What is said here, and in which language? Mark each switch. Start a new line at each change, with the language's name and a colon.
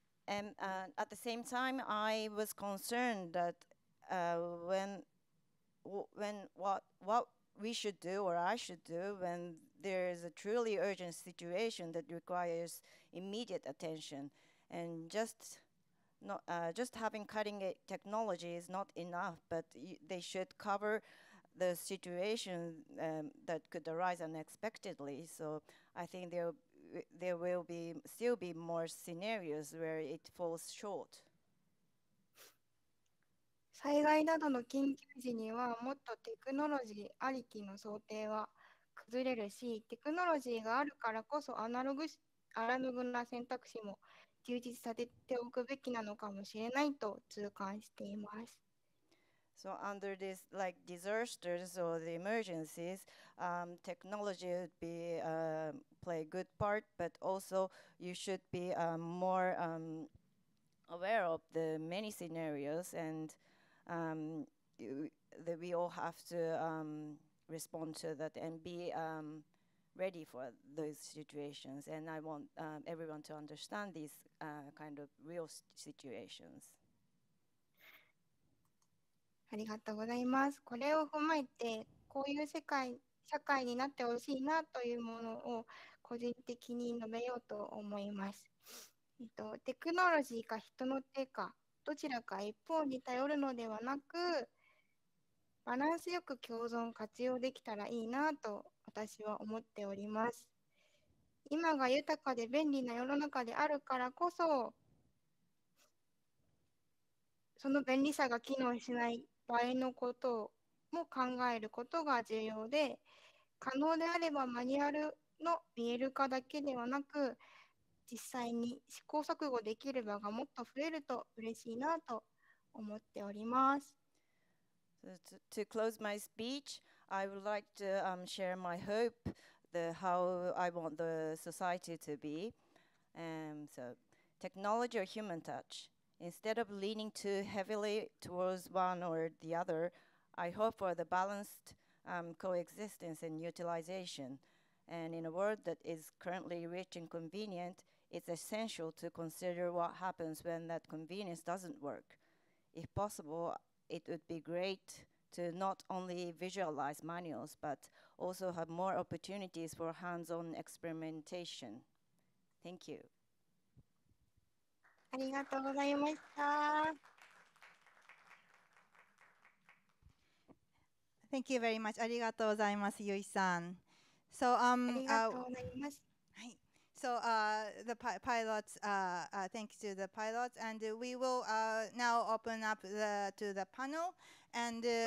English: And at the same time, I was concerned that what we should do or I should do when there is a truly urgent situation that requires immediate attention, and just having cutting edge technology is not enough, but they should cover the situation that could arise unexpectedly. So I think there will still be more scenarios where it falls short.
Japanese: 災害などの緊急時にはもっとテクノロジーありきの想定は崩れるし、テクノロジーがあるからこそアナログな選択肢も充実させておくべきなのかもしれないと痛感しています。
English: So under this like disasters or the emergencies, technology would be play a good part, but also you should be more aware of the many scenarios and that we all have to respond to that and be ready for those situations. And I want everyone to understand these kind of real situations.
Japanese: ありがとうございます。これを踏まえて、こういう社会になってほしいなというものを個人的に述べようと思います。テクノロジーか人の手か、どちらか一方に頼るのではなく、バランスよく共存活用できたらいいなと私は思っております。今が豊かで便利な世の中であるからこそ、その便利さが機能しない場合のことも考えることが重要で、可能であればマニュアルの見える化だけではなく、実際に試行錯誤できる場がもっと増えると嬉しいなと思っております。
English: So、to close my speech, I would like to share my hope, the how I want the society to be. So, technology or human touch? Instead of leaning too heavily towards one or the other, I hope for the balanced coexistence and utilization. And in a world that is currently rich and convenient, it's essential to consider what happens when that convenience doesn't work. If possible, it would be great to not only visualize manuals, but also have more opportunities for hands-on experimentation. Thank you.
Japanese: ありがとうございました。
English: Thank you very much.
Japanese: ありがとうございます、ゆいさん。
English: So,
Japanese: ありがとうございます。はい。
English: So, the pilots, thank you to the pilots, and we will now open up to the panel, and